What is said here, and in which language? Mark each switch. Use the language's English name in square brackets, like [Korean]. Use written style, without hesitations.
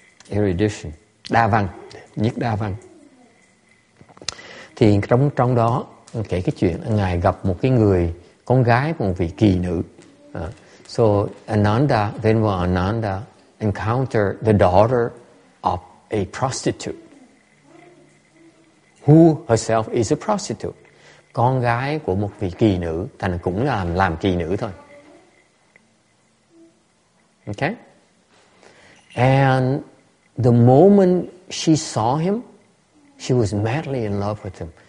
[Vietnamese] erudition, đa văn, nhất đa văn. Thì trong đó kể cái chuyện là ngài gặp một cái người con gái của một vị kỳ nữ. [English] So Ananda, Venerable Ananda, encounter the daughter of a prostitute who herself is a prostitute. [Vietnamese] Con gái của một vị kỳ nữ, thành cũng là làm kỳ nữ thôi. [English] Okay? And the moment she saw him, she was madly in love with him.